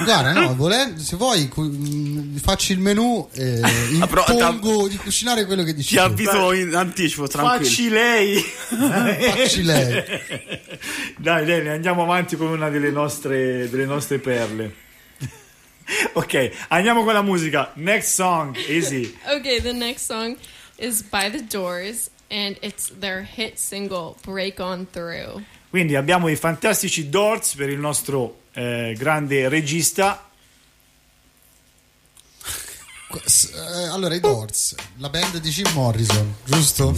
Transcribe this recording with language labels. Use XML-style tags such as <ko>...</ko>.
<it>Guarda, no, se vuoi faccio il menù e impongo di cucinare quello che dici. Ti avviso in anticipo, tranquillo. Facci lei. Dai, bene, andiamo avanti con una delle nostre perle. Ok, andiamo con la musica.</it> <en>Next song, easy. Ok, the next song is by The Doors and it's their hit single Break On Through.</en> <it>Quindi abbiamo i fantastici Doors per il nostro grande regista. Allora, i Doors, la band di Jim Morrison, giusto?</it>